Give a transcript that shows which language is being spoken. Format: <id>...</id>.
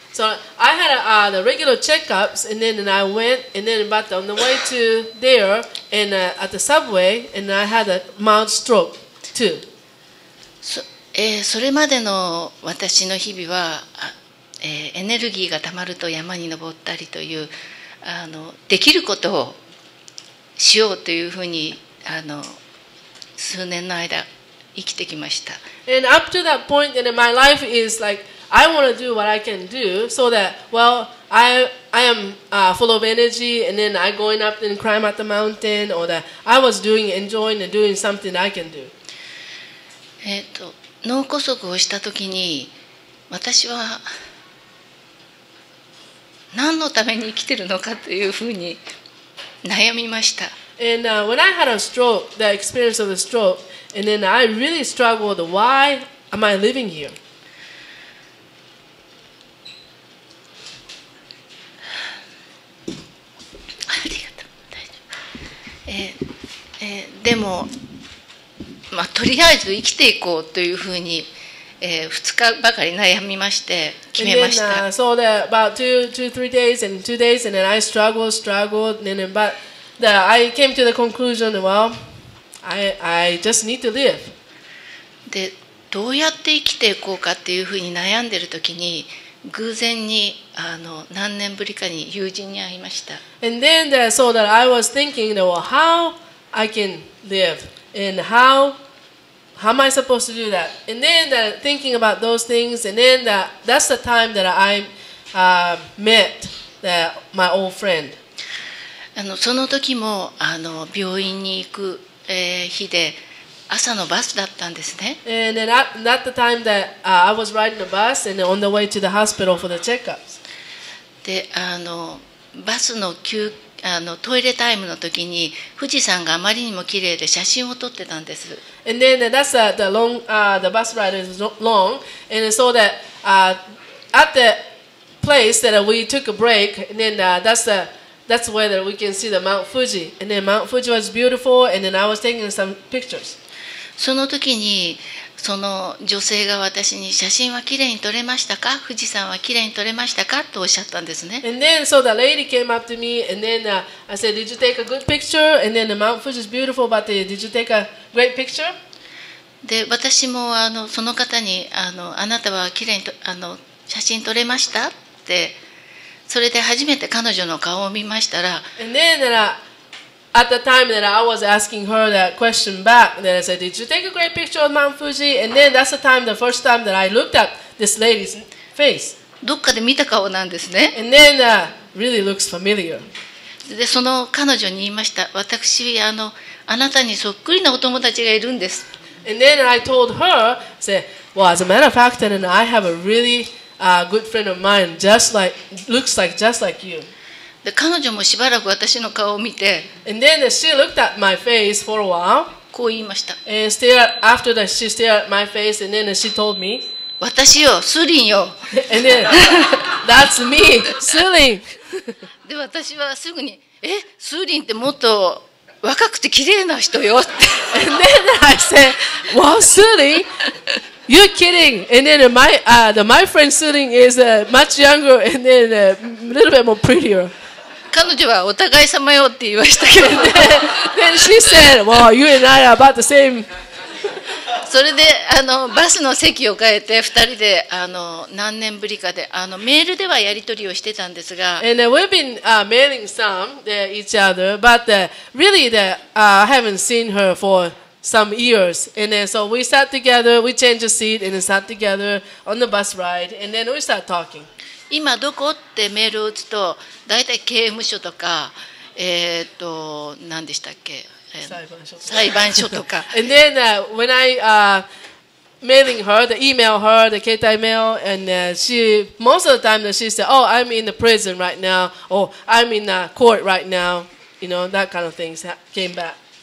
<en>So I had the regular checkups and then I went and then but on the way to there and at the subway and I had a mild stroke too.</en> <ja>それまでの私の日々は、エネルギーがたまると山に登ったりという。できることをしようというふうに数年の間生きてきました。</ja> <en>And up to that point, then my life is like I want to do what I can do so that well I am full of energy and then I going up and climb at the mountain or that I was doing enjoying and doing something I can do.</en> <ja>脳梗塞をしたときに私は何のために生きているのかというふうに悩みました。</ja> <en>And when I had a stroke, the experience of a stroke, and then I really struggled, why am I living here?</en> <ja>ありがとう。大丈夫。でも、まあ、とりあえず生きていこうというふうに2日ばかり悩みまして決めました。</ja> <en>And then, so that about two, three days, and then I struggled, and then but that I came to the conclusion, well, I just need to live.</en> <ja>で、どうやって生きていこうかっていうふうに悩んでるときに、偶然に何年ぶりかに友人に会いました。</ja> <en>And then that, so that I was thinking, well, how I can live and how. How am I supposed to do that? And then thinking about those things, and then that's the time that I met my old friend.</en> <ja>その時も病院に行く日で朝のバスだったんですね。</ja> <en>And then at the time that I was riding the bus and on the way to the hospital for the checkups.</en> <ja>で、バスの休憩トイレタイムの時に富士山があまりにも綺麗で写真を撮ってたんです。</ja> <en>And then that's the long, the bus ride is long, and so that, at the place that we took a break, and then that's where that we can see the Mount Fuji, and then Mount Fuji was beautiful, and then I was taking some pictures.</en> <ja>その時にその女性が私に写真は綺麗に撮れましたか、富士山は綺麗に撮れましたかとおっしゃったんですね。</ja> <en>And then so the lady came up to me and then I said, did you take a good picture? And then the Mount Fuji is beautiful, but did you take a great picture?</en> <ja>で、私もその方にあなたは綺麗に写真撮れましたって、それで初めて彼女の顔を見ましたら。</ja> <en>And then at the time that I was asking her that question back, then I said, did you take a great picture of Mount Fuji? And then that's the time, the first time that I looked at this lady's face.</en> <ja>どっかで見た顔なんですね。</ja> <en>And then really looks familiar.</en> <ja>で、その彼女に言いました。私、あなたにそっくりなお友達がいるんです。</ja> <en>And then I told her, I said, well, as a matter of fact, then I have a really good friend of mine, just like, looks like just like you.</en> <ja>で、彼女もしばらく私の顔を見て、</ja> <en>And then she looked at my face for a while.</en> <ja>こう言いました。</ja> <en>After that, she stared at my face and then she told me,</en> <ja>私よ、スリンよ。</ja> <en>And then, that's me, スリン。</en> <ja>で、私はすぐに、スリンってもっと若くて綺麗な人よって。</ja> <en>And then I said, well, スリン、You're kidding. And then my friend Sulin is much younger and then a little bit more prettier.</en> <ja>彼女はお互い様よって言いましたけど。</ja> <en>Then she said, well, you and I are about the same.</en> <ja>それで、バスの席を変えて、二人で、何年ぶりかで、メールではやり取りをしてたんですが。</ja> <en>And we've been mailing some to each other, but really I haven't seen her for... Some years, and then so we sat together. We changed a seat and then sat together on the bus ride, and then we started talking.</en> <ja>今どこってメールを打つと、だいたい刑務所とか、何でしたっけ、裁判所とか。</ja> <en>And then when I mailing her, the email her, the 携帯 mail, and she most of the time that she said, "Oh, I'm in the prison right now," or "I'm in the court right now," you know that kind of things came back.</en>